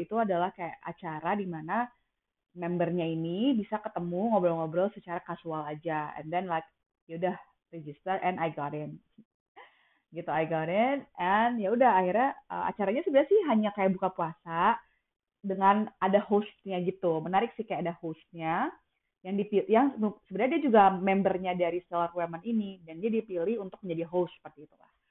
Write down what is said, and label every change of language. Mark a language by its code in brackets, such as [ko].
[id] Itu adalah kayak acara di mana membernya ini bisa ketemu, ngobrol-ngobrol secara casual aja. [en] And then like, [id] yaudah, [en] register and I got in. [id] Gitu, [en] I got in. [id] And yaudah, akhirnya acaranya sebenarnya sih hanya kayak buka puasa dengan ada hostnya gitu. Menarik sih kayak ada hostnya yang sebenarnya dia juga membernya dari Stellar Women ini, dan dia dipilih untuk menjadi host seperti itulah.